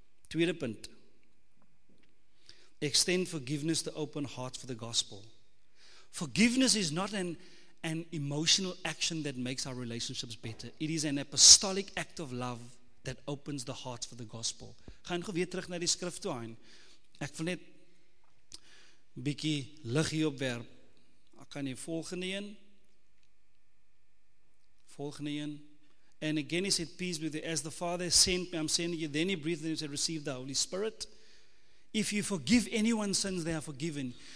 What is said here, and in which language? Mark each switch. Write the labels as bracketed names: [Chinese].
[Afrikaans] Tweede punt, [English] extend forgiveness to open hearts for the gospel. Forgiveness is not an emotional action that makes our relationships better. It is an apostolic act of love that opens the heart for the gospel. [Afrikaans] Gaan gou weer terug na die skrif toe aan. Ek wil net bietjie lig hier opwerp. Ek kan die volgende een. [English] And again he said, peace be with you. As the Father sent me, I'm sending you. Then he breathed and he said, receive the Holy Spirit. If you forgive anyone's sins, they are forgiven.